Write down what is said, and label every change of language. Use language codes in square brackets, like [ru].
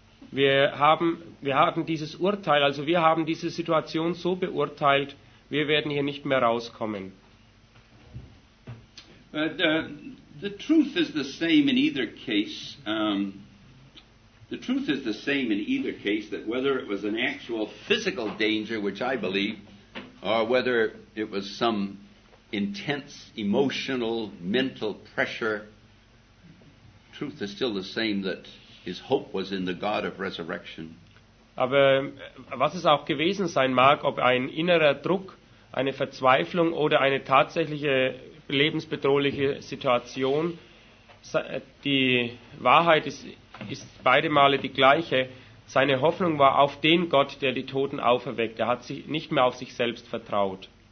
[de] Wir hatten dieses Urteil, also wir haben diese Situation so beurteilt, wir werden hier nicht mehr rauskommen. [en] But the truth is the same in either case. The truth is the same in either case, that whether it was an actual physical danger, which I believe, or whether it was some intense emotional, mental pressure, truth is still the same, that his hope was in the God of resurrection. [de] Aber was es auch gewesen sein mag, ob ein innerer Druck, eine Verzweiflung oder eine tatsächliche lebensbedrohliche Situation, die Wahrheit ist beide Male die gleiche. Seine Hoffnung war auf den Gott, der die Toten auferweckt. Er hat sich nicht mehr auf sich selbst vertraut.